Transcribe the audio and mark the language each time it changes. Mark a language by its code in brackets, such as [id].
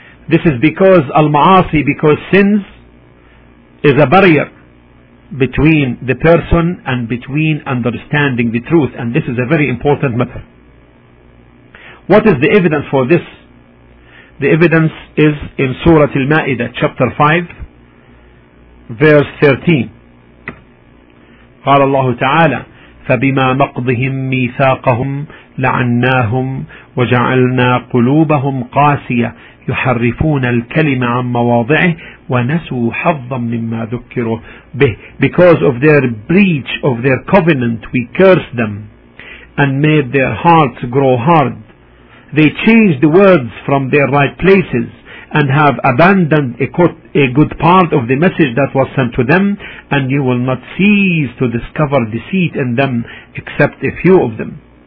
[en] This is because al-ma'asi, because sins, is a barrier between the person and between understanding the truth, and this is a very important matter. What is the evidence for this? The evidence is in Surah Al-Ma'idah, chapter 5, verse 13. [ar] قال الله تعالى فبما نقضهم ميثاقهم لعناهم وجعلنا قلوبهم قاسية يحرفون الكلمة عن مواضعه ونسوا حظا مما ذكروا به. [en] Because of their breach of their covenant, we cursed them and made their hearts grow hard. They changed the words from their right places and have abandoned a good part of the message that was sent to them, and you will not cease to discover deceit in them except a few of them.